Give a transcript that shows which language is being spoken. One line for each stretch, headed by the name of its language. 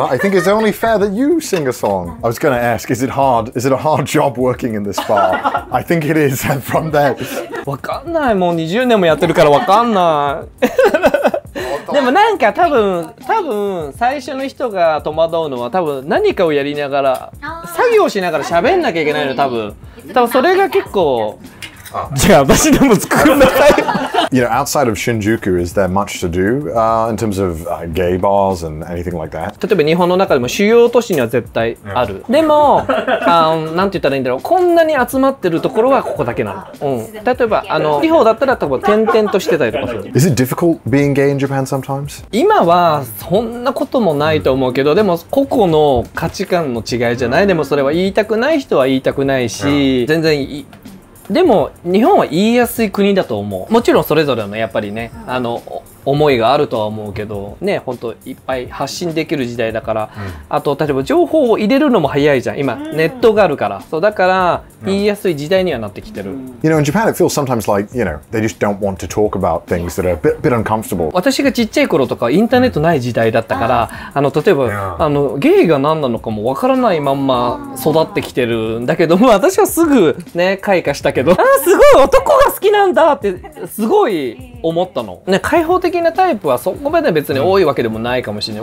English: I think it's only fair that you sing a song. I was going to ask, is it hard? Is it a hard job working in this bar? I think it is from there.
Japanese: わかんない。もう20年もやってるからわかんない。でもなんか多分最初の人が戸惑うのは多分何かをやりながら作業しながら喋んなきゃいけないの多分それが結構
English: You know, outside of Shinjuku, is there much to do in terms of gay bars and anything like that?
Japanese: 例えば日本の中でも主要都市には絶対ある。
English: Yeah.
Japanese: でも、なんて言ったらいいんだろう、こんなに集まってるところはここだけなの。うん、例えば、地方だったら多分点々としてたりとかする。
English: Is it difficult being gay in Japan sometimes?
Japanese: 今はそんなこともないと思うけど、でも個々の価値観の違いじゃない。でもそれは言いたくない人は言いたくないし、yeah. 全然いい。でも日本は言いやすい国だと思う。もちろんそれぞれのやっぱりね、思いがあるとは思うけど、ね、本当いっぱい発信できる時代だから、うん、あと例えば情報を入れるのも早いじゃん。今ネットがあるから、そうだから言いやすい時代にはなってきてる。
English: You know, in Japan, it feels sometimes like you know they just don't want to talk about things that are a bit uncomfortable.
Japanese: 私がちっちゃい頃とかインターネットない時代だったから、例えば、yeah. ゲイが何なのかもわからないまんま育ってきてるんだけども、私はすぐね開花したけど、すごい男が好きなんだってすごい思ったの。ね、開放的的なタイプはそこまで別に多いわけでもないかもしれない。